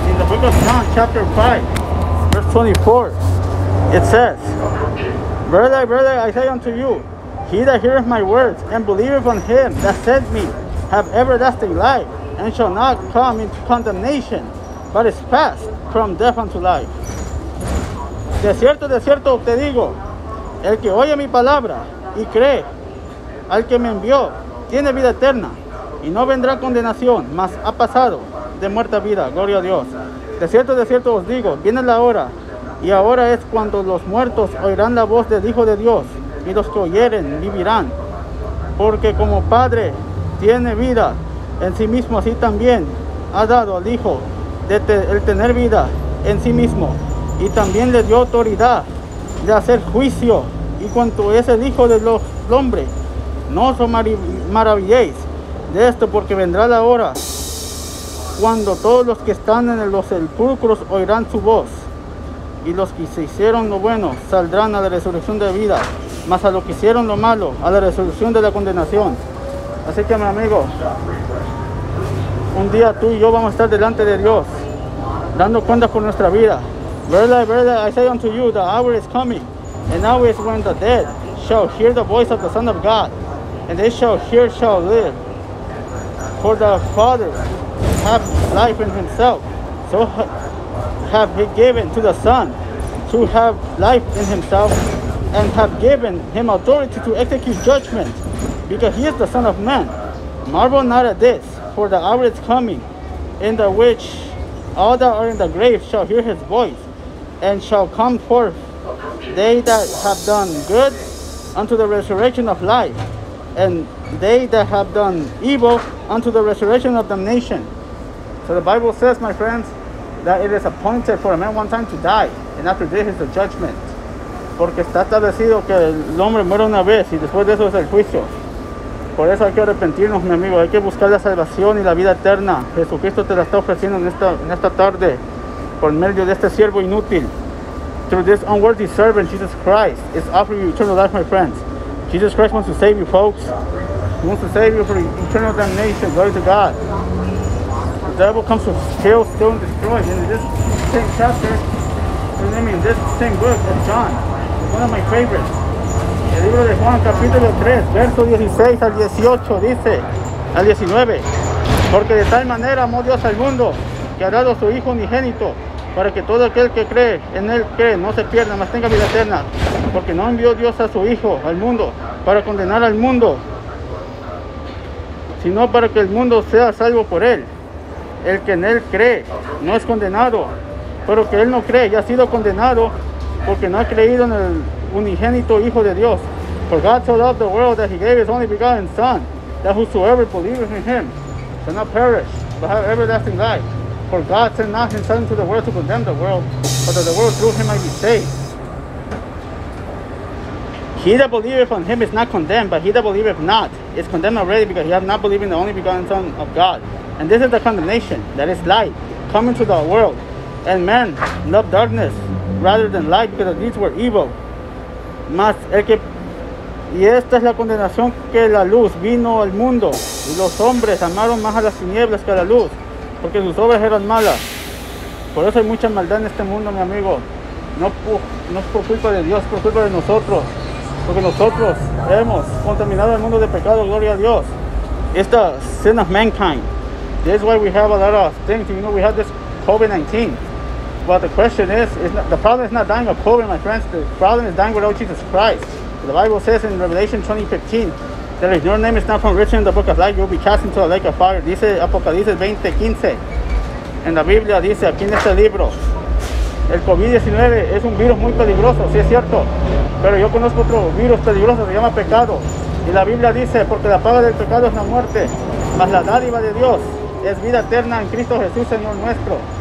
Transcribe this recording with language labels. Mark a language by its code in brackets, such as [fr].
[en] Book of John, chapter 5, verse 24, it says, Verily, verily, I say unto you, he that heareth my words, and believeth on him that sent me, have everlasting life, and shall not come into condemnation, but is passed from death unto life. [es] De cierto, te digo, el que oye mi palabra, y cree, al que me envió, tiene vida eterna, y no vendrá condenación, mas ha pasado de muerte a vida, gloria a Dios. De cierto os digo, viene la hora, y ahora es cuando los muertos oirán la voz del Hijo de Dios, y los que oyeren vivirán. Porque como Padre tiene vida en sí mismo, así también ha dado al Hijo el tener vida en sí mismo, y también le dio autoridad de hacer juicio. Y cuanto es el Hijo del Hombre, no os maravilléis de esto, porque vendrá la hora cuando todos los que están en los sepulcros oirán su voz, y los que se hicieron lo bueno saldrán a la resurrección de vida, mas a los que hicieron lo malo, a la resurrección de la condenación. Así que, mi amigo, un día tú y yo vamos a estar delante de Dios, dando cuenta por nuestra vida. [en] Verily, verily, I say unto you, the hour is coming, and now is when the dead shall hear the voice of the Son of God, and they shall hear, shall live. For the Father have life in himself, so have he given to the Son to have life in himself, and have given him authority to execute judgment, because he is the Son of Man. Marvel not at this, for the hour is coming, in the which all that are in the grave shall hear his voice, and shall come forth, they that have done good unto the resurrection of life, and they that have done evil unto the resurrection of damnation. So the Bible says, my friends, that it is appointed for a man one time to die, and after this is the judgment. [es] Porque está establecido que el hombre muere una vez, y después de eso es el juicio. Por eso hay que arrepentirnos, mi amigo. Hay que buscar la salvación y la vida eterna. Jesucristo te la está ofreciendo en esta tarde por medio de este siervo inútil. [en] Through this unworthy servant, Jesus Christ is offering you eternal life, my friends. Jesus Christ wants to save you, folks. He wants to save you from eternal damnation. Glory to God. The devil comes to kill, steal, and destroy. In this same chapter, I mean, this same book of John, one of my favorites. [es] El libro de Juan, capítulo 3, verso 16 al 18, dice, al 19. Porque de tal manera amó Dios al mundo, que ha dado a su Hijo unigénito, para que todo aquel que cree en Él, cree, no se pierda, mas tenga vida eterna. Porque no envió Dios a su Hijo al mundo para condenar al mundo, sino para que el mundo sea salvo por Él. El que en Él cree no es condenado, pero que Él no cree ya ha sido condenado, porque no ha creído en el unigénito Hijo de Dios. [en] For God so loved the world that He gave His only begotten Son, that whosoever believeth in Him shall not perish, but have everlasting life. For God sent not His Son into the world to condemn the world, but that the world through Him might be saved. He that believeth on Him is not condemned, but he that believeth not is condemned already, because he hath not believed in the only begotten Son of God. And this is the condemnation, that is light, coming to the world. And men love darkness rather than light, because the deeds were evil. [es] Mas el que, y esta es la condenación, que la luz vino al mundo, y los hombres amaron más a las tinieblas que a la luz, porque sus obras eran malas. Por eso hay mucha maldad en este mundo, mi amigo. No es por culpa de Dios, es por culpa de nosotros. Porque nosotros hemos contaminado el mundo de pecado, gloria a Dios. [en] It's the sin of mankind. That's why we have a lot of things. You know, we have this COVID-19. But the question is, the problem is not dying of COVID, my friends. The problem is dying without Jesus Christ. The Bible says in Revelation 20:15, that if your name is not from written in the book of life, you'll be cast into the lake of fire. [es] Dice Apocalipsis 20:15. En la Biblia dice, aquí en este libro, el COVID-19 es un virus muy peligroso, sí es cierto. Pero yo conozco otro virus peligroso, se llama pecado. Y la Biblia dice, porque la paga del pecado es la muerte, mas la dádiva de Dios es vida eterna en Cristo Jesús, Señor nuestro.